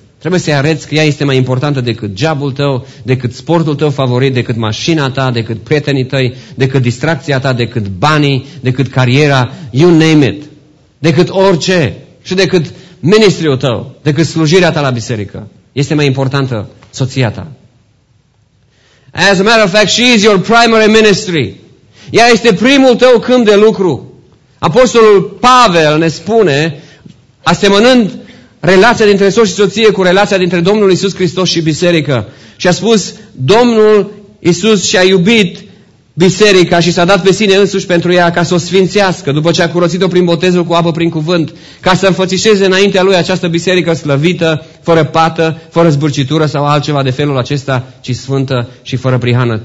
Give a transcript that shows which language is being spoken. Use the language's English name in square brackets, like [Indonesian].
[Romanian] Trebuie să-i arăți că ea este mai importantă decât jobul tău, decât sportul tău favorit, decât mașina ta, decât prietenii tăi, decât distracția ta, decât banii, decât cariera, [English] you name it, [Romanian] decât orice și decât ministriul tău, decât slujirea ta la biserică. Este mai importantă soția ta. [English] As a matter of fact, she is your primary ministry. [Romanian] Ea este primul tău câmp de lucru. Apostolul Pavel ne spune, asemănând relația dintre soț și soție cu relația dintre Domnul Iisus Hristos și biserică. Și a spus, Domnul Iisus și-a iubit biserica și s-a dat pe sine însuși pentru ea ca să o sfințească, după ce a curățit-o prin botezul cu apă, prin cuvânt, ca să înfățișeze înaintea lui această biserică slăvită, fără pată, fără zbârcitură sau altceva de felul acesta, ci sfântă și fără prihană.